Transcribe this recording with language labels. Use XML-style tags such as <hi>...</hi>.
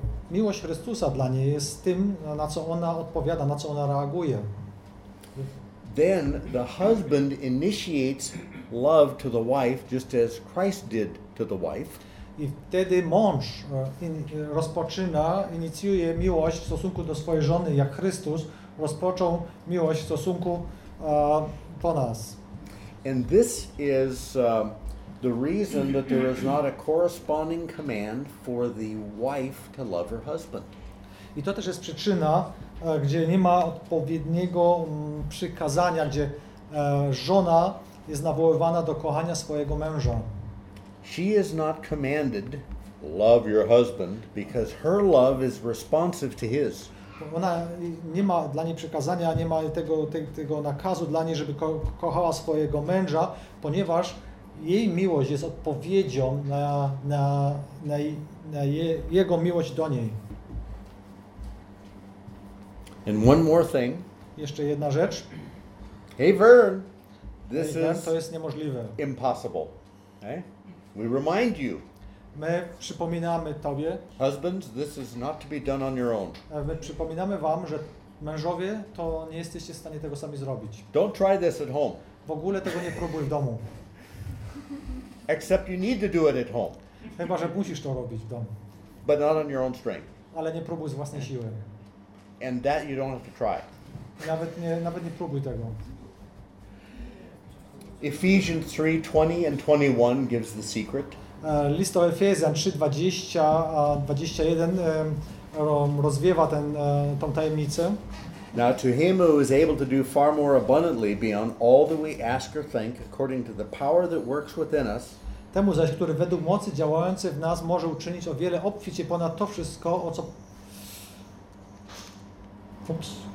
<pl>Miłość Chrystusa dla niej jest tym, na co ona odpowiada, na co ona reaguje.</pl> <en>Then the husband initiates love to the wife just as Christ did to the wife.</en> <pl>I wtedy mąż rozpoczyna, inicjuje miłość w stosunku do swojej żony, jak Chrystus rozpoczął miłość w stosunku do nas.</pl> <en>And this is the reason that there is not a corresponding command for the wife to love her husband.</en> <pl>I to też jest przyczyna, gdzie nie ma odpowiedniego przykazania, gdzie żona jest nawoływana do kochania swojego męża.</pl> <en>She is not commanded love your husband because her love is responsive to his.</en> <pl>Ona nie ma dla niej przykazania, nie ma tego nakazu dla niej, żeby kochała swojego męża, ponieważ jej miłość jest odpowiedzią na jego miłość do niej.</pl> <en>And one more thing.</en> <pl>Jeszcze jedna rzecz.</pl> <en>Hey Vern, this</en> <pl>hey, to jest niemożliwe.</pl> <en>Impossible. Okay? We remind you.</en> <pl>My przypominamy tobie.</pl> <en>Husbands, this is not to be done on your own.</en> <pl>My przypominamy wam, że mężowie, to nie jesteście w stanie tego sami zrobić.</pl> <en>Don't try this at home.</en> <pl>W ogóle tego nie próbuj w domu.</pl> <en>Except you need to do it at home.</en> <pl>Chyba że musisz to robić w domu.</pl> <en>But not on your own strength.</en> <pl>Ale nie próbuj z własnej siły.</pl> <en>And that you don't have to try.</en> <pl>Nawet nie próbuj tego.</pl> <en>Ephesians 3:20 and 21 gives the secret.</en> <pl>List do Efezjan 3:20 a 21 rozwiewa tą tajemnicę.</pl> <en>Now to him who is able to do far more abundantly beyond all that we ask or think, according to the power that works within us.</en> <pl>Temu zaś, który według mocy działającej w nas może uczynić o wiele obficie ponad to wszystko, o co. Ups.</pl>